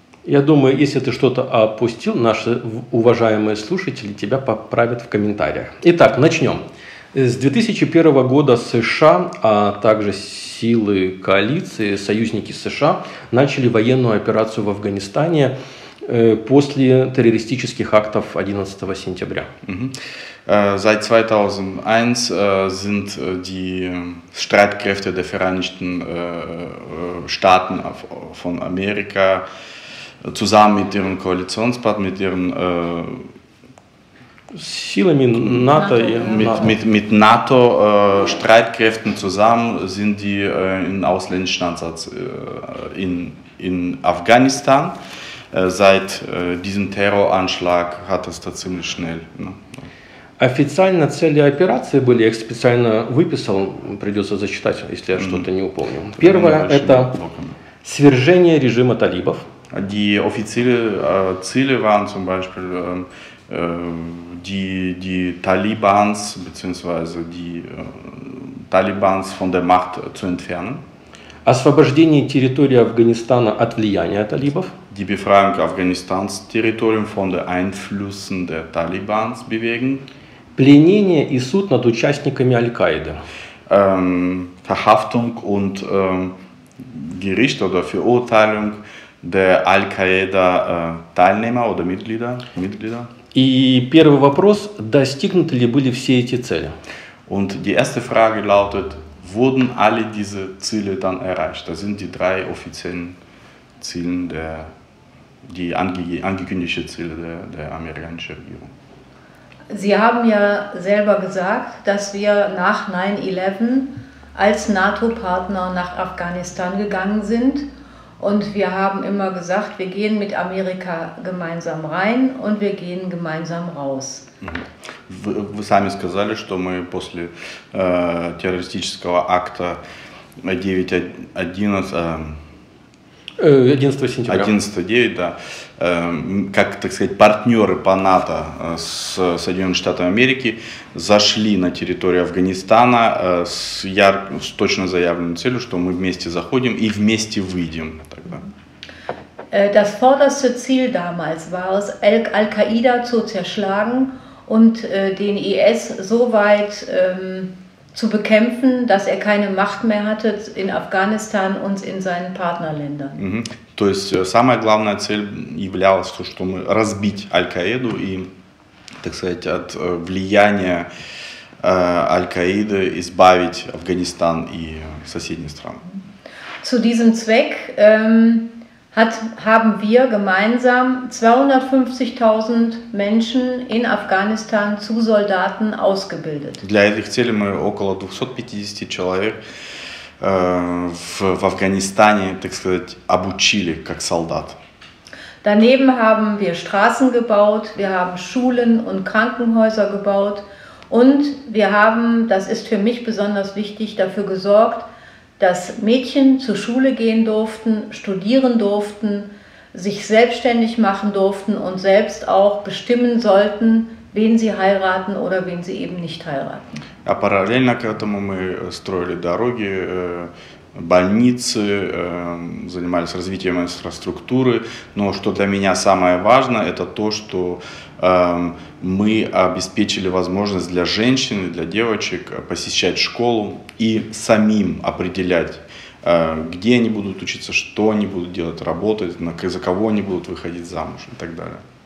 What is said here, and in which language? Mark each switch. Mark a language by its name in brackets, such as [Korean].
[Russian] Я думаю, если ты что-то опустил, наши уважаемые слушатели тебя поправят в комментариях. Итак, начнем. С 2001 года США, а также силы коалиции, союзники США, начали военную операцию в Афганистане после террористических актов 11 сентября. [German] Seit 2001 sind die Streitkräfte der Vereinigten Staaten von Amerika zusammen mit ihren Koalitionspartnern, mit ihren [Russian] силами НАТО, [German] mit NATO Streitkräften zusammen sind die in ausländischen Einsatz in Afghanistan. Seit diesem Terroranschlag hat es da ziemlich schnell. Ne? [Russian] Официально цели операции были, я их специально выписал, придется зачитать, если я что-то не упомню. Первое – это свержение режима талибов. [German] Die offizielle Ziele waren zum Beispiel die Talibans, beziehungsweise die Talibans von der Macht zu entfernen. [Russian] Освобождение территории Афганистана от влияния талибов. [German] Die Befreiung Afghanistans Territorium von den Einflüssen der Talibans bewegen. [Russian] Пленение и суд над участниками Аль-Каиды. [German] Verhaftung und Gericht oder Verurteilung der Al-Qaida Teilnehmer oder Mitglieder. [Russian] И первый вопрос, достигнуты ли были все эти цели? [German] Und die erste Frage lautet, wurden alle diese Ziele dann erreicht? Das sind die drei offiziellen Ziele der die angekündigte Ziele der amerikanischen Regierung. Sie haben ja selber gesagt, dass wir nach 9/11 als NATO-Partner nach Afghanistan gegangen sind. Und wir haben immer gesagt, wir gehen mit Amerika gemeinsam rein und wir gehen gemeinsam raus. [Russian] Вы сами сказали, что мы после террористического акта 11 сентября, да, как, так сказать, партнеры по НАТО с Соединенными Штатами Америки зашли на территорию Афганистана с точно заявленной целью, что мы вместе заходим и вместе выйдем тогда. [German] Das vorderste Ziel damals war es, Al-Qaida zu zerschlagen und den IS so weit zu bekämpfen, dass er keine Macht mehr hatte in Afghanistan und in seinen Partnerländern. [Russian] То есть самая главная цель являлась то, что мы разбить Аль-Каиду и, так сказать, от влияния Аль-Каиды избавить Афганистан и соседние страны. [German] Zu diesem Zweck haben wir gemeinsam 250.000 Menschen in Afghanistan zu Soldaten ausgebildet. [Russian] Для этих целей мы около 250 человек в Афганистане, так сказать, обучили как солдат. [German] Daneben haben wir Straßen gebaut, wir haben Schulen und Krankenhäuser gebaut und wir haben, das ist für mich besonders wichtig, dafür gesorgt, dass Mädchen zur Schule gehen durften, studieren durften, sich selbstständig machen durften und selbst auch bestimmen sollten, wen sie heiraten oder wen sie eben nicht heiraten. [Russian] А параллельно к этому мы строили дороги, больницы, занимались развитием инфраструктуры. Но что для меня самое важное, это то, что мы обеспечили возможность для женщин, для девочек посещать школу и самим определять, где они будут учиться, что они будут делать, работать, за кого они будут выходить замуж и так далее.